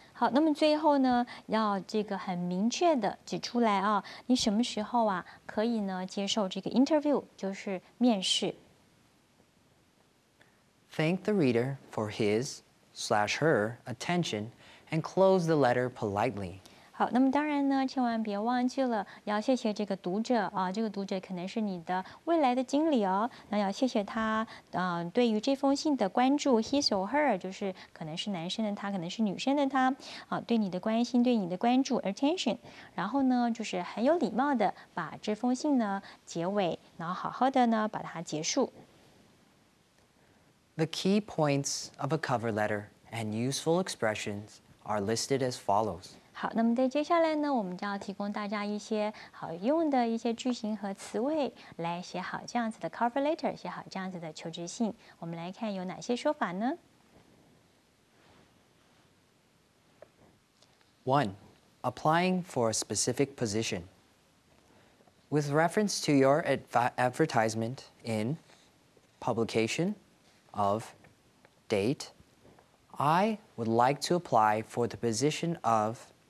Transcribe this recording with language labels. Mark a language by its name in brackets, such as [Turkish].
[Chinese] 好，那么最后呢，要这个很明确的指出来啊，你什么时候啊，可以呢接受这个 interview， 就是面试。 [English] Thank the reader for his/her attention and close the letter politely. [Chinese] 好，那么当然呢，千万别忘记了要谢谢这个读者啊，这个读者可能是你的未来的经理哦，那要谢谢他，对于这封信的关注 ， [English] his or her， [Chinese] 就是可能是男生的他，可能是女生的他，啊，对你的关心，对你的关注 ，attention， 然后呢，就是很有礼貌的把这封信呢结尾，然后好好的呢把它结束。 [English] The key points of a cover letter and useful expressions are listed as follows. [Chinese] 好，那么在接下来呢，我们就要提供大家一些好用的一些句型和词汇，来写好这样子的 cover letter， 写好这样子的求职信。我们来看有哪些说法呢 [English] ？One, applying for a specific position with reference to your advertisement in publication of date. I would like to apply for the position of.